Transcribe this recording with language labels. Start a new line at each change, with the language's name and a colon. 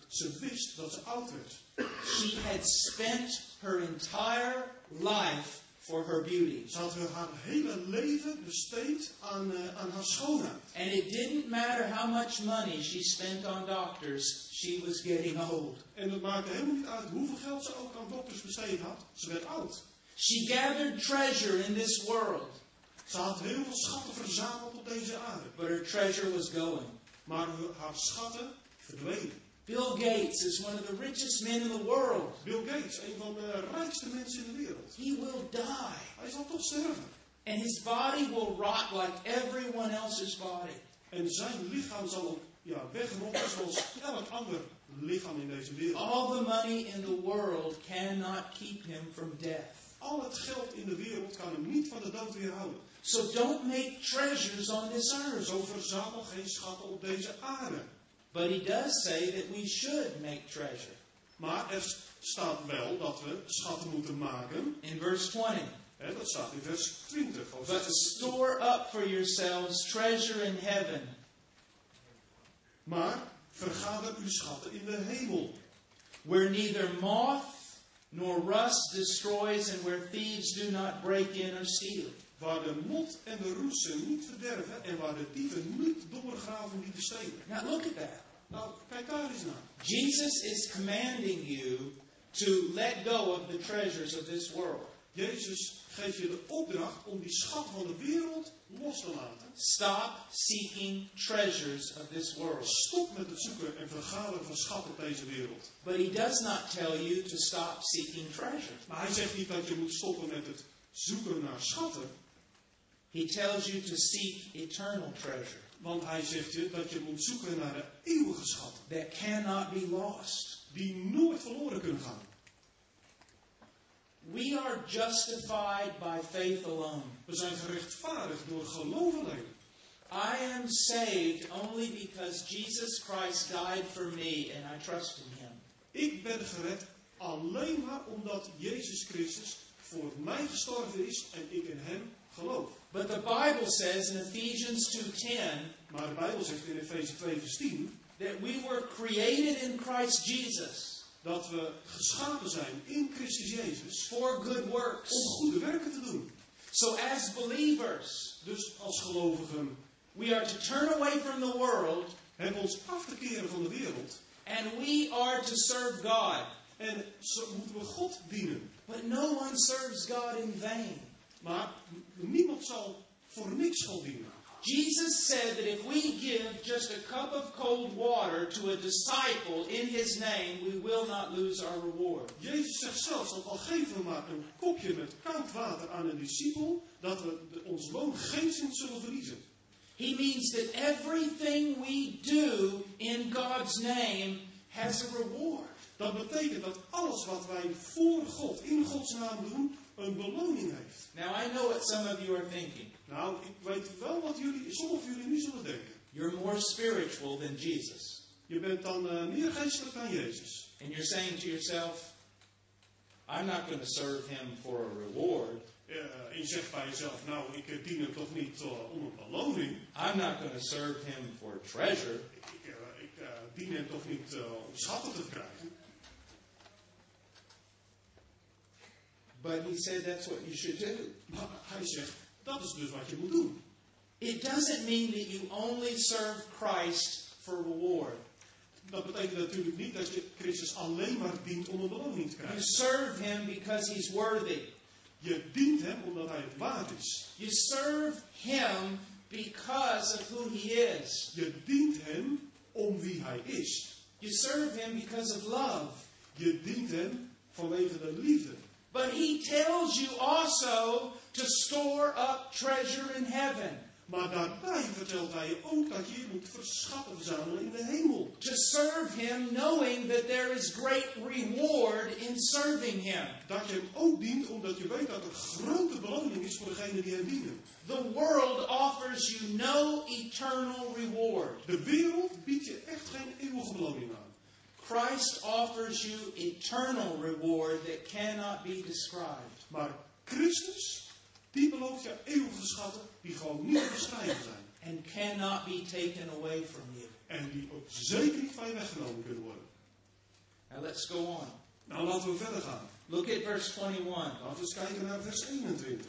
Dutch: Ze wist dat ze oud werd.
English: She had spent her entire life for her beauty.
Dutch: Ze had haar hele leven besteed aan haar schoonheid.
English: And it didn't matter how much money she spent on doctors, she was getting old.
Dutch: En het maakte helemaal niet uit hoeveel geld ze ook aan dokters besteed had. Ze werd oud.
English: She gathered treasure in this world.
Dutch: Ze had heel veel schatten verzameld op deze aarde.
English: But her treasure was going.
Dutch: Maar haar schatten verdwenen.
English: Bill Gates is one of the richest men in the world.
Dutch: Bill Gates, een van de rijkste mensen in de wereld.
English: He will die.
Dutch: Hij zal toch sterven.
English: And his body will rot like everyone else's body.
Dutch: En zijn lichaam zal wegrotten zoals elk ander lichaam in deze wereld.
English: All the money in the world cannot keep him from death.
Dutch: Al het geld in de wereld kan hem niet van de dood weerhouden.
English: So don't make treasures on this earth.
Dutch: Zo verzamel geen schatten op deze aarde.
English: But he does say that we should make treasure.
Dutch: Maar er staat wel dat we schatten moeten maken.
English: In verse 20.
Dutch: He, dat staat in vers 20.
English: But store up for yourselves treasure in heaven.
Dutch: Maar vergader uw schatten in de hemel.
English: Where neither moth nor rust destroys and where thieves do not break in or steal.
Dutch: Waar de mot en de roesten niet verderven en waar de dieven niet doorgraven die stelen.
English: Now look at that.
Dutch: Nou, kijk daar eens naar.
English: Jesus is commanding you to let go of the treasures of this world.
Dutch: Jezus geeft je de opdracht om die schat van de wereld los te laten.
English: Stop seeking treasures of this world.
Dutch: Stop met het zoeken en vergaren van schat op deze wereld.
English: But he does not tell you to stop seeking treasure.
Dutch: Maar hij zegt niet dat je moet stoppen met het zoeken naar schatten.
English: He tells you to seek eternal treasure.
Dutch: Want hij zegt je dat je moet zoeken naar de eeuwige schat.
English: That cannot be lost.
Dutch: Die nooit verloren kunnen gaan.
English: We are justified by faith alone.
Dutch: We zijn gerechtvaardigd door geloof alleen.
English: I am saved only because Jesus Christ died for me and I trust in him.
Dutch: Ik ben gered alleen maar omdat Jezus Christus voor mij gestorven is en ik in hem geloof.
English: But the Bible says in Ephesians 2:10,
Dutch: maar de Bijbel zegt in Efeze 2 vers 10,
English: that we were created in Christ Jesus.
Dutch: Dat we geschapen zijn in Christus Jezus.
English: For good works.
Dutch: Om goede werken te doen.
English: So as believers,
Dutch: dus als gelovigen,
English: we are to turn away from the world,
Dutch: hebben ons af te keren van de wereld,
English: and we are to serve God.
Dutch: En zo moeten we God dienen.
English: But no one serves God in vain.
Dutch: Maar niemand zal voor niks God dienen.
English: Jesus said that if we give just a cup of cold water to a disciple in his name, we will not lose our reward.
Dutch: Jezus zegt zelfs dat al geven we maar een kopje met koud water aan een discipel, dat we ons loon geenszins zullen verliezen.
English: He means that everything we do in God's name has a reward.
Dutch: Dat betekent dat alles wat wij voor God, in Gods naam doen, een beloning heeft.
English: Now I know what some of you are thinking.
Dutch: Nou, ik weet wel wat jullie, sommige van jullie nu zullen denken.
English: You're more spiritual than Jesus.
Dutch: Je bent dan meer geestelijk dan Jezus.
English: And you're saying to yourself, I'm not going to serve him for a reward.
Dutch: En je zegt bij jezelf, nou, ik dien hem toch niet om een beloning.
English: I'm not going to serve him for treasure.
Dutch: Ik dien hem toch niet om schatten te krijgen.
English: But he said that's what you should do.
Dutch: Maar hij zegt, dat is dus wat je moet doen.
English: It doesn't mean that you only serve Christ for reward.
Dutch: Dat betekent natuurlijk niet dat je Christus alleen maar dient om een beloning te krijgen.
English: You serve him because he's worthy.
Dutch: Je dient hem omdat hij het waard is.
English: You serve him because of who he is.
Dutch: Je dient hem om wie hij is.
English: You serve him because of love.
Dutch: Je dient hem vanwege de liefde.
English: But he tells you also to store up treasure in heaven.
Dutch: Maar daarbij vertelt hij je ook dat je moet verschatten verzamelen in de hemel.
English: To serve him knowing that there is great reward in serving him.
Dutch: Dat je hem ook dient omdat je weet dat er grote beloning is voor degene die hem dienen.
English: The world offers you no eternal reward.
Dutch: De wereld biedt je echt geen eeuwige beloning aan.
English: Christ offers you eternal reward that cannot be described.
Dutch: Maar Christus, die belooft je eeuwige schatten die gewoon niet te beschrijven zijn.
English: And cannot be taken away from you.
Dutch: En die ook zeker niet van je weggenomen kunnen worden.
English: Now let's go on.
Dutch: Nou laten we verder gaan.
English: Look at verse 21.
Dutch: Laten we eens kijken naar vers 21.